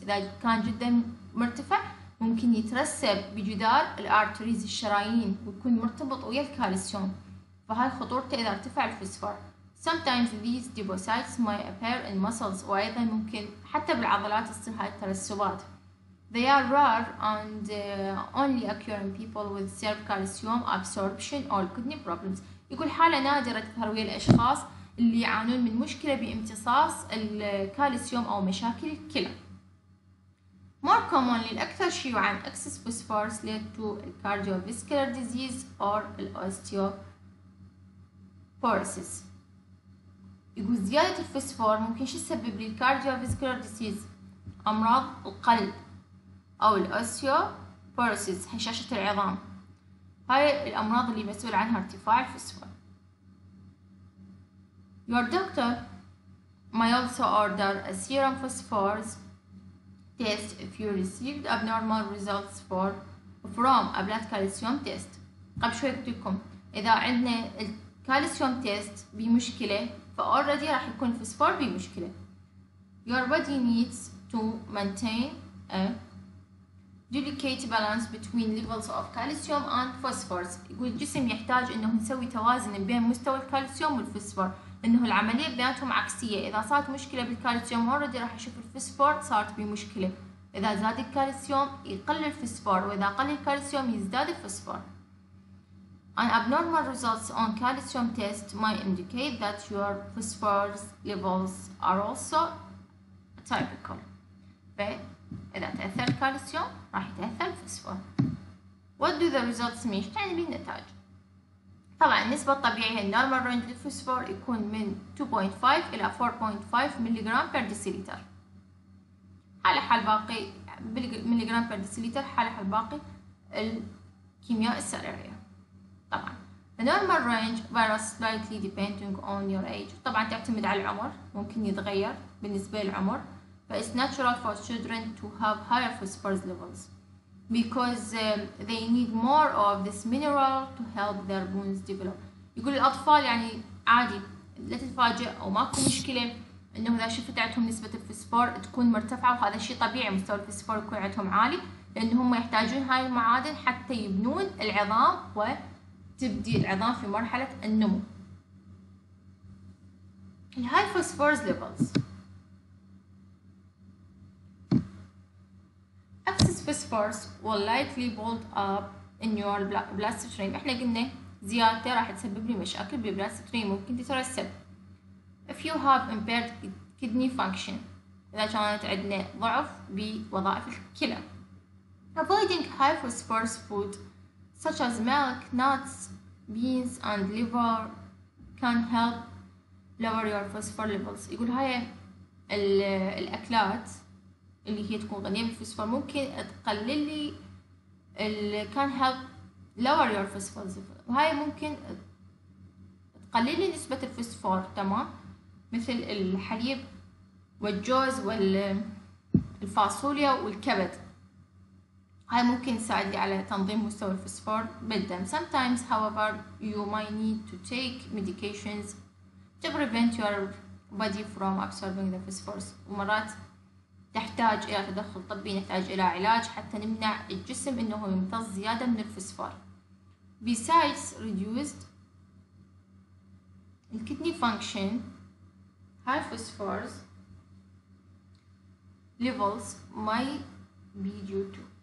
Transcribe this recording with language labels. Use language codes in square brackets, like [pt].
[ar] إذا كان جدا مرتفع ممكن يترسب بجدار الارتريز الشرايين ويكون مرتبط ويا الكالسيوم, فهاي خطورته إذا ارتفع الفوسفور. [en] Sometimes these deposits may appear in muscles, [ar] وأيضا ممكن حتى بالعضلات تصير هاي الترسبات. [en] They are rare and only occur in people with serum calcium absorption or kidney problems. [ar] يقول حالة نادرة تظهر ويا الأشخاص اللي يعانون من مشكلة بامتصاص الكالسيوم أو مشاكل الكلى. [en] More commonly, [ar] الأكثر شيوعا, [en] excess phosphorus led to cardiovascular disease or osteoporosis. [ar] يقول زيادة الفوسفور ممكن شو يسبب لي cardiovascular disease, أمراض القلب, أو osteoporosis, هشاشة العظام. هاي الأمراض اللي مسؤول عنها ارتفاع الفوسفور. [en] Your doctor may also order a serum phosphorus test if you received abnormal results from a blood calcium test. [ar] قبل شوي قلت لكم إذا عندنا الكالسيوم تيست بمشكلة فأوريدي راح يكون الفوسفور بمشكلة. Your body needs to maintain a delicate balance between levels of calcium and phosphorus. يقول الجسم يحتاج إنه يسوي توازن بين مستوى الكالسيوم والفوسفور, إنه العملية بيناتهم عكسية. إذا صارت مشكلة بالكالسيوم أوريدي راح يشوف الفوسفور صارت بمشكلة. إذا زاد الكالسيوم يقل الفوسفور, وإذا قل الكالسيوم يزداد الفوسفور. [en] An abnormal results on calcium test might indicate that your phosphorus levels are also typical. [ar] فإذا تأثر الكالسيوم راح يتأثر الفوسفور. [en] What do the results mean? [ar] إيش تعني بالنتائج؟ طبعا النسبة الطبيعية النورمال رينج للفوسفور يكون من 2.5 إلى 4.5 ملي جرام بير ديسيليتر. على حال باقي ملي جرام بير ديسيليتر, على حال باقي الكيمياء السريرية. طبعا النورمال رينج [en] varies slightly depending on your age. [ar] طبعا تعتمد على العمر, ممكن يتغير بالنسبة للعمر. [en] But it's natural for children to have higher phosphorus levels, because they need more of this mineral to help their bones develop. [ar] يقول الأطفال يعني عادي لا تتفاجئ أو ماكو مشكلة إنه إذا شفت عندهم نسبة الفوسفور تكون مرتفعة, وهذا شيء طبيعي مستوى الفوسفور يكون عندهم عالي لأنهم يحتاجون هاي المعادن حتى يبنون العظام وتبدي العظام في مرحلة النمو. [en] High phosphorus levels. Phosphorus will likely build up in your bloodstream. [ar] إحنا قلنا زيادة راح تسبب لي مشاكل بالبلاستريم, ممكن تترسب. [en] If you have impaired kidney function, [ar] إذا كانت عندنا ضعف بوظائف الكلى. [en] Avoiding high phosphorus food such as milk, nuts, beans and liver can help lower your phosphorus levels. [ar] يقول هاي الأكلات اللي هي تكون غنية بالفوسفور ممكن تقلل لي [en] can help lower your phosphorus, [ar] وهاي ممكن تقلل لي نسبة الفوسفور. تمام, مثل الحليب والجوز والفاصوليا والكبد, هاي ممكن تساعد لي على تنظيم مستوى الفوسفور بالدم. [en] Sometimes however you might need to take medications to prevent your body from absorbing the phosphorus. [ar] ومرات تحتاج إلى تدخل طبي, نحتاج إلى علاج حتى نمنع الجسم إنه يمتص زيادة من الفوسفور. [en] Besides reduced الكيدني function high phosphorus levels may be due to.